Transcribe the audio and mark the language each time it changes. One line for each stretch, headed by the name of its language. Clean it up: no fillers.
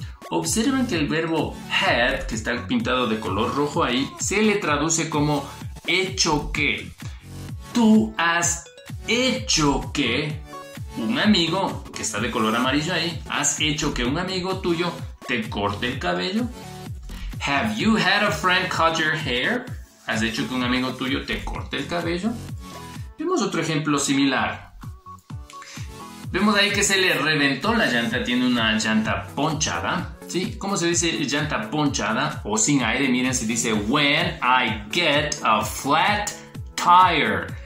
Spanish: Observen que el verbo had, que está pintado de color rojo ahí, se le traduce como hecho que. Tú has hecho que un amigo, que está de color amarillo ahí, has hecho que un amigo tuyo te corte el cabello.
English: Have you had a friend cut your hair?
Spanish: ¿Has hecho que un amigo tuyo te corte el cabello? Vemos otro ejemplo similar. Vemos ahí que se le reventó la llanta, tiene una llanta ponchada. ¿Sí? ¿Cómo se dice llanta ponchada o sin aire? Miren, se dice
English: when I get a flat tire.